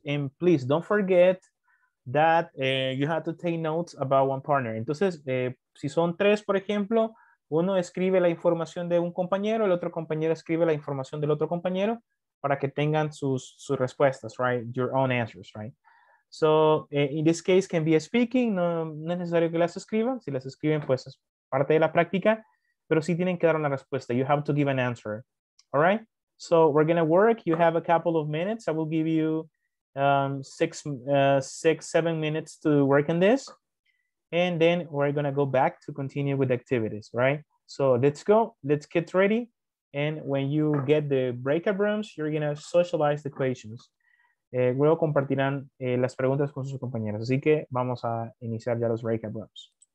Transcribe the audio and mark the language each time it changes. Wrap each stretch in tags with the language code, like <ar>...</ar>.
<en>And please don't forget that you have to take notes about one partner.</en> <es>Entonces, si son 3, por ejemplo, uno escribe la información de un compañero, el otro compañero escribe la información del otro compañero para que tengan sus respuestas,</es> <en>right? Your own answers, right? So in this case can be a speaking,</en> <es>no es necesario que las escriban. Si las escriben, pues es parte de la práctica, pero sí tienen que dar una respuesta.</es> <en>You have to give an answer, all right? So we're gonna work, you have a couple of minutes. I will give you 6, 7 minutes to work on this. And then we're gonna go back to continue with activities, right? So let's go, let's get ready. And when you get the breakout rooms, you're gonna socialize the questions.</en> <es>Luego compartirán las preguntas con sus compañeros. Así que vamos a iniciar ya los breakout rooms.</es>